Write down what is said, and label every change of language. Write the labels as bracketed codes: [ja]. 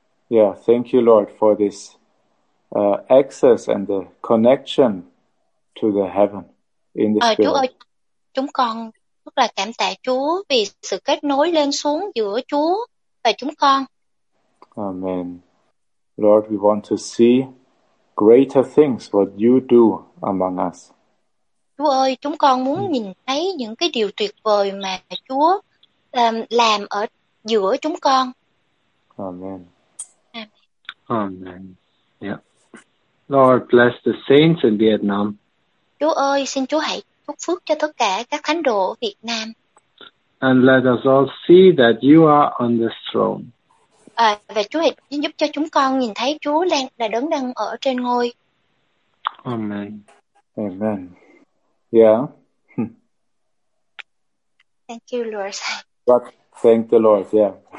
[en] Yeah, thank you Lord for this access and the connection to the heaven in the spirit. [vi] Chúa ơi, chúng con rất là cảm tạ Chúa vì sự kết nối lên xuống giữa Chúa và chúng con. [en] Amen. Lord, we want to see greater things what you do among us. [vi] Chúa ơi, chúng con muốn nhìn thấy những cái điều tuyệt vời mà Chúa làm ở giữa chúng con. [en] Amen. Amen. Amen. Yeah. Lord, bless the saints in Vietnam. [vi] Chúa ơi, xin Chúa hãy chúc phước cho tất cả các thánh đồ ở Việt Nam. [en] And let us all see that you are on the throne. [vi] Và Chúa hãy giúp cho chúng con nhìn thấy Chúa là đấng đang ở trên ngôi. [en] Amen. Amen. Yeah. Thank you, Lord. But thank the Lord, yeah.